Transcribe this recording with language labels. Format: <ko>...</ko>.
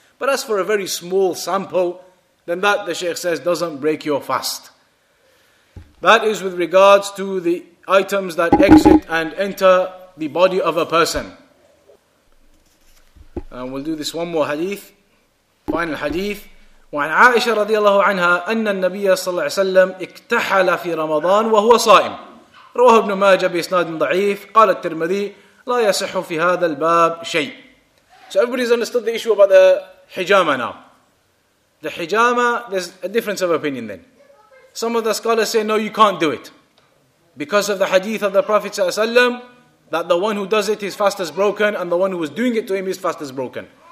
<en>But as for a very small sample, then that, the Shaykh says, doesn't break your fast. That is with regards to the items that exit and enter the body of a person. And we'll do this one more hadith, final hadith.</en> <ar>وعن عائشة رضي الله عنها أن النبي صلى الله عليه وسلم اكتحل في رمضان وهو صائم. رواه ابن ماجه بإسناد ضعيف. قال الترمذي لا يصح في هذا الباب شيء.</ar> <en>So everybody's understood the issue about the hijama now. The hijama, there's a difference of opinion then. Some of the scholars say, no, you can't do it. Because of the hadith of the Prophet ﷺ, that the one who does it, his fast is broken, and the one who was doing it to him, his fast is broken.</en>